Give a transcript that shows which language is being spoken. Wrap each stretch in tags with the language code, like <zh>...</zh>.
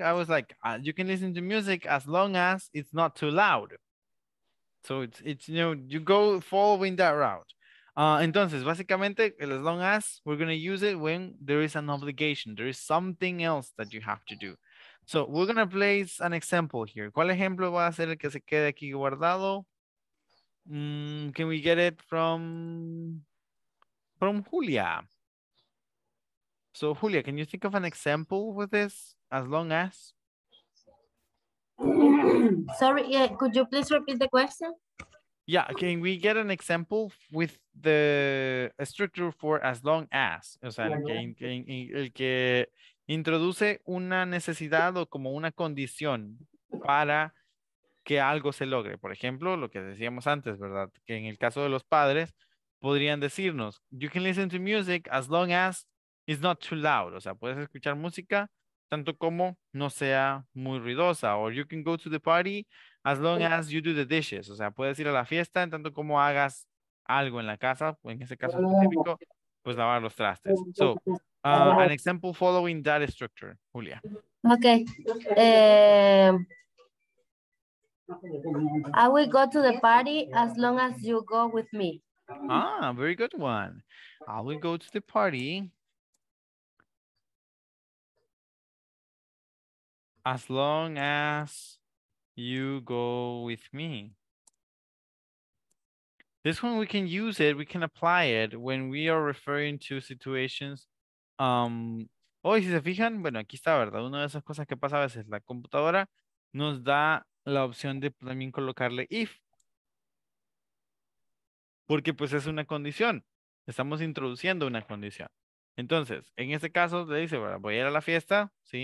<en>I was like, you can listen to music as long as it's not too loud. So it's you know, you go following that route.</en> <es>Entonces, básicamente,</es> <en>as long as, we're going to use it when there is an obligation. There is something else that you have to do. So we're going to place an example here.</en> <es>¿Cuál ejemplo va a ser el que se quede aquí guardado?</es> <en>Can we get it from Julia? So Julia, can you think of an example with this, as long as? Sorry, could you please repeat the question? Yeah, can we get an example with the structure for as long as?</en> <es>O sea, el que introduce una necesidad o como una condición para que algo se logre. Por ejemplo, lo que decíamos antes, ¿verdad? Que en el caso de los padres, podrían decirnos,</es> <en>you can listen to music as long as it's not too loud.</en> <es>O sea, puedes escuchar música tanto como no sea muy ruidosa.</es> <en>Or you can go to the party as long as you do the dishes.</en> <es>O sea, puedes ir a la fiesta en tanto como hagas algo en la casa. En ese caso específico, pues lavar los trastes.</es> <en>So, an example following that structure, Julia. Okay. I will go to the party as long as you go with me. Ah, very good one. I will go to the party as long as you go with me. This one, we can use it, we can apply it when we are referring to situations.</en> <es>Oh, si se fijan, bueno, aquí está, ¿verdad? Una de esas cosas que pasa a veces, la computadora nos da la opción de también colocarle if. Porque pues es una condición, estamos introduciendo una condición. Entonces, en este caso le dice, bueno, voy a ir a la fiesta, ¿sí?</es>